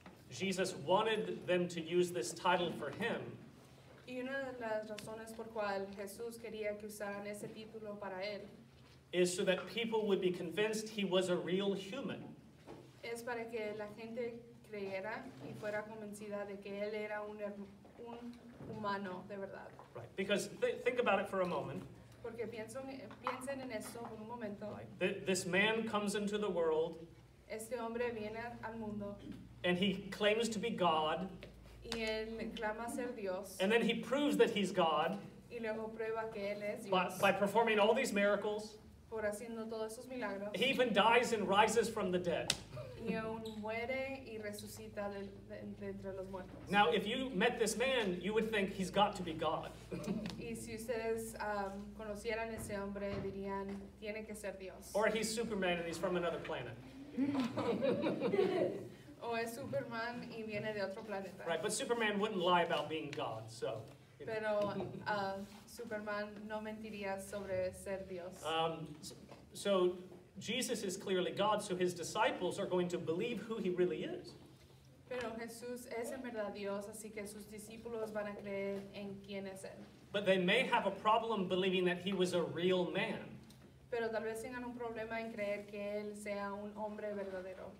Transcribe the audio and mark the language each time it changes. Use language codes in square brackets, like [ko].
[en] Jesus wanted them to use this title for him. [es] Y una de las razones por cual Jesús quería que usaran ese título para él [en] is so that people would be convinced he was a real human. [es] Es para que la gente creyera y fuera convencida de que él era un humano de verdad. [en] Right, because think about it for a moment. [es] Porque piensen en eso por un momento. [en] Right. This man comes into the world. [es] Este hombre viene al mundo. [en] And he claims to be God. [es] Y él clama ser Dios. [en] And then he proves that he's God. [es] Y luego prueba que él es Dios. [en] By performing all these miracles. [es] Por haciendo todos esos milagros. [en] He even dies and rises from the dead. [es] Y aún muere y resucita de entre los muertos. [en] Now, if you met this man, you would think he's got to be God. [es] Y si ustedes conocieran ese hombre, dirían, tiene que ser Dios. [en] Or he's Superman and he's from another planet. [es] O es Superman y viene de otro planeta. [en] Right, but Superman wouldn't lie about being God, so. [es] Pero Superman no mentiría sobre ser Dios. [en] So Jesus is clearly God, so his disciples are going to believe who he really is. [es] Pero Jesús es en verdad Dios, así que sus discípulos van a creer en quién es él. [en] But they may have a problem believing that he was a real man. [es] Pero tal vez tengan un problema en creer que él sea un hombre verdadero.